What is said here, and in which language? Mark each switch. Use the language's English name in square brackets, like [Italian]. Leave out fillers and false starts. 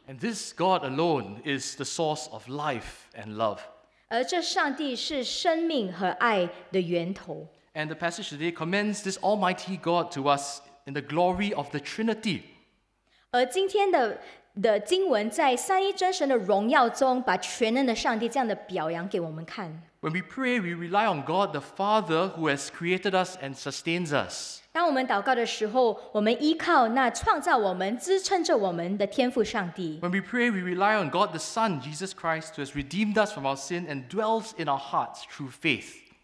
[English] And this God alone is the source of life and love. [Chinese] 而这上帝是生命和爱的源头。 [English] And the passage today commends this Almighty God to us in the glory of the Trinity. [Chinese] 而今天的经文在三一真神的荣耀中把全能的上帝这样的表扬给我们看。 [English] When we pray, we rely on God, the Father, who has created us and sustains us. [Chinese] 当我们祷告的时候，我们依靠那创造我们、支撑着我们的天父上帝。 [English] When we pray, we rely on God, the Son, Jesus Christ, who has redeemed us from our sin and dwells in our hearts through faith.